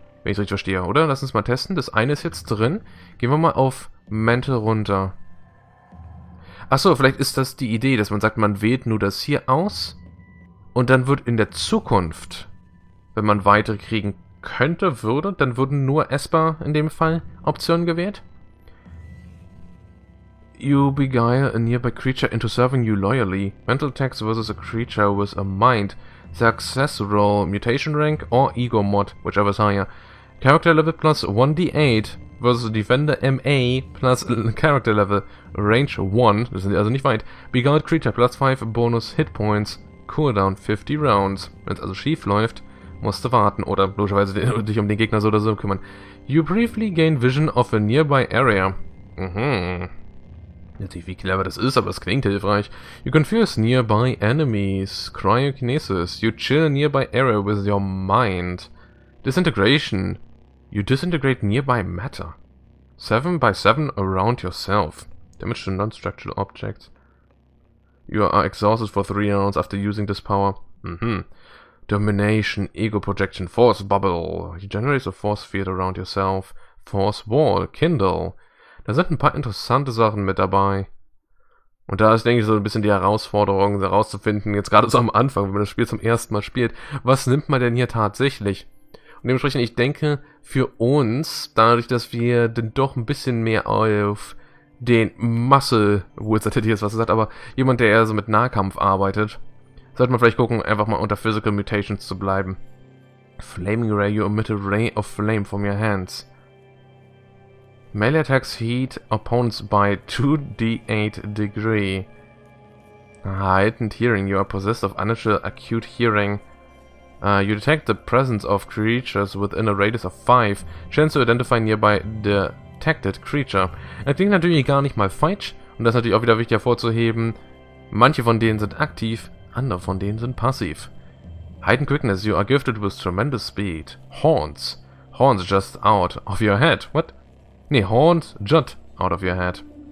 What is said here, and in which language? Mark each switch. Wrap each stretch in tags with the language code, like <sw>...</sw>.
<de>Wenn ich es richtig verstehe, oder? Lass uns mal testen. Das eine ist jetzt drin. Gehen wir mal auf Mantle runter. Achso, vielleicht ist das die Idee, dass man sagt, man wählt nur das hier aus. Und dann wird in der Zukunft, wenn man weitere kriegen könnte, würde, dann würden nur Esper in dem Fall Optionen gewählt.</de> <en>You beguile a nearby creature into serving you loyally. Mantle attacks versus a creature with a mind. Success roll, mutation rank or ego mod, whichever is higher. Character level plus 1d8 versus defender MA plus character level range 1,</en> <de>das sind also nicht weit.</de> <en>Beguiled creature plus 5 bonus hit points, cooldown 50 rounds.</en> <de>Wenn es also schief läuft, musst du warten oder logischerweise dich um den Gegner so oder so kümmern.</de> <en>You briefly gain vision of a nearby area. Mhm.</en> <de>Natürlich, wie clever das ist, aber es klingt hilfreich.</de> <en>You confuse nearby enemies. Cryokinesis. You chill nearby area with your mind. Disintegration. You disintegrate nearby matter. 7x7 around yourself. Damage to non-structural objects. You are exhausted for 3 rounds after using this power. Mhm. Domination. Ego projection. Force bubble. You generate a force field around yourself. Force wall. Kindle.</en> <de>Da sind ein paar interessante Sachen mit dabei. Und da ist, denke ich, so ein bisschen die Herausforderung, herauszufinden, jetzt gerade so am Anfang, wenn man das Spiel zum ersten Mal spielt, was nimmt man denn hier tatsächlich? Und dementsprechend, ich denke, für uns, dadurch, dass wir denn doch ein bisschen mehr auf den Muscle, Wizard hätte ich jetzt was gesagt, aber jemand, der eher so mit Nahkampf arbeitet, sollte man vielleicht gucken, einfach mal unter Physical Mutations zu bleiben.</de> <en>Flaming Ray, you emit a ray of flame from your hands. Melee attacks heat opponents by 2d8 degree. Heightened hearing. You are possessed of unusual acute hearing. You detect the presence of creatures within a radius of 5. Chance to identify nearby detected creature.</en> <de>Das klingt natürlich gar nicht mal falsch. Und das ist natürlich auch wieder wichtig hervorzuheben. Manche von denen sind aktiv, andere von denen sind passiv.</de> <en>Heightened quickness. You are gifted with tremendous speed. Horns. Horns just out of your head. What? Nee, Horns jut out of your head.</en>